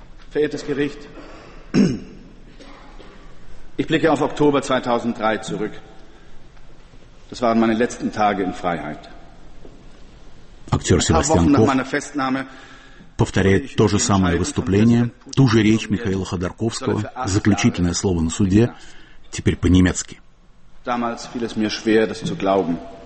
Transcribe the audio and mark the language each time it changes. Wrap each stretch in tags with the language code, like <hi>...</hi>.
<de>Verehrtes Gericht, ich blicke auf Oktober 2003 zurück. Das waren meine letzten Tage in Freiheit.</de> <ru>Aktor Sebastian Koch повторяет то же самое выступление, ту же речь Михаила Ходорковского, заключительное слово на суде, теперь по-немецки.</ru> <de>Damals fiel es mir schwer, das zu glauben.</de>